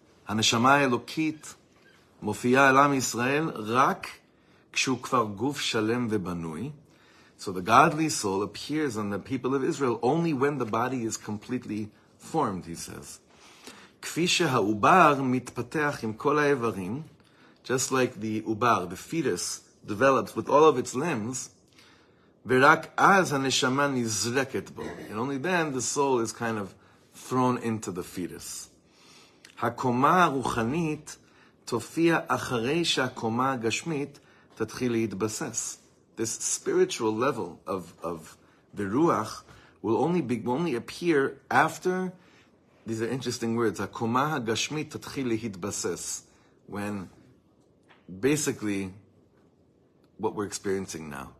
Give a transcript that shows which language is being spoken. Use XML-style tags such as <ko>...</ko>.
<he>הנשמה האלוקית מופיעה על עם ישראל רק כשהוא כבר גוף שלם ובנוי.</he> <en>So the godly soul appears on the people of Israel only when the body is completely formed, he says.</en> <he>כפי שהעובר מתפתח עם כל האיברים,</he> <en>just like the ubar, the fetus, develops with all of its limbs,</en> <he>ורק אז הנשמה נזרקת בו.</he> <en>And only then the soul is kind of thrown into the fetus.</en> <he>הקומה הרוחנית תופיע אחרי שהקומה הגשמית תתחיל להתבסס.</he> <en>This spiritual level of the ruach will only appear after, these are interesting words,</en> <he>הקומה הגשמית תתחיל להתבסס,</he> <en>when basically what we're experiencing now.</en>